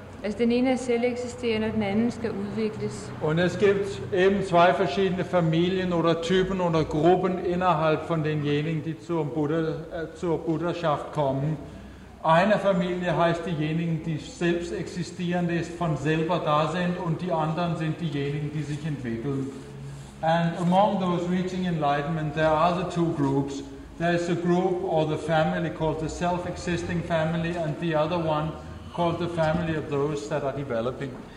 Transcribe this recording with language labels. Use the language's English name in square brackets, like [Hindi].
[Danish] Altså den ene er selveksisterende, og den anden skal udvikles. [German] Und es gibt eben zwei verschiedene Familien oder Typen oder Gruppen innerhalb von denjenigen, die zur Buddhaschaft kommen. Eine Familie heißt diejenigen, die selbst existierend ist, von selber da sind, und die anderen sind diejenigen, die sich entwickeln. [English] And among those reaching enlightenment, there are the two groups. There is a group or the family called the self-existing family, and the other one called the family of those that are developing.